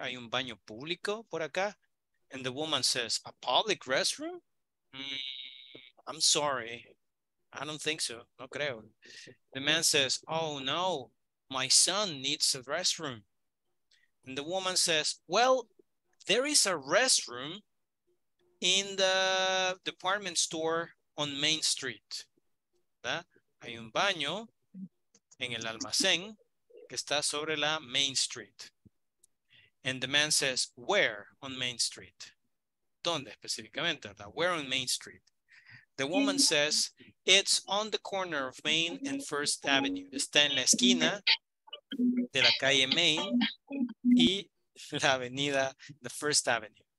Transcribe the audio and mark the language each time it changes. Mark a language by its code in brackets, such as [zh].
[es] ¿Hay un baño público por acá? [en] And the woman says, a public restroom? I'm sorry. I don't think so. [es] No creo. [en] The man says, oh no, my son needs a restroom. And the woman says, well, there is a restroom in the department store on Main Street. [es] ¿Verdad? Hay un baño en el almacén que está sobre la Main Street. [en] And the man says, where on Main Street? [es] ¿Dónde específicamente? ¿Verdad? [en] Where on Main Street? The woman says, it's on the corner of Main and First Avenue. [es] Está en la esquina de la calle Main y la avenida, the First Avenue.